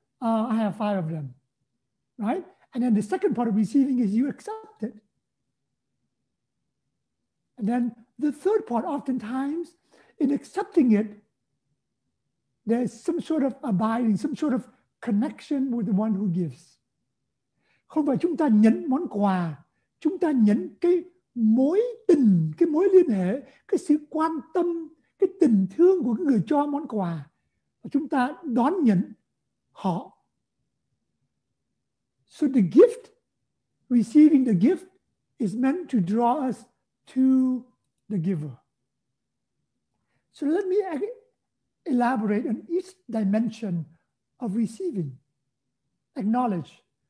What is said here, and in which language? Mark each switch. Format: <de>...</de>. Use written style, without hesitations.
<en>I have five of them, right? And then the second part of receiving is you accept it. And then the third part, oftentimes, in accepting it, there's some sort of abiding, some sort of connection with the one who gives.</en> <vi>Không phải chúng ta nhận món quà, chúng ta nhận cái mối tình, cái mối liên hệ, cái sự quan tâm, cái tình thương của người cho món quà. Chúng ta đón nhận họ.</vi> <en>So the gift, receiving the gift, is meant to draw us to the giver. So let me elaborate on each dimension of receiving. Acknowledge.</en>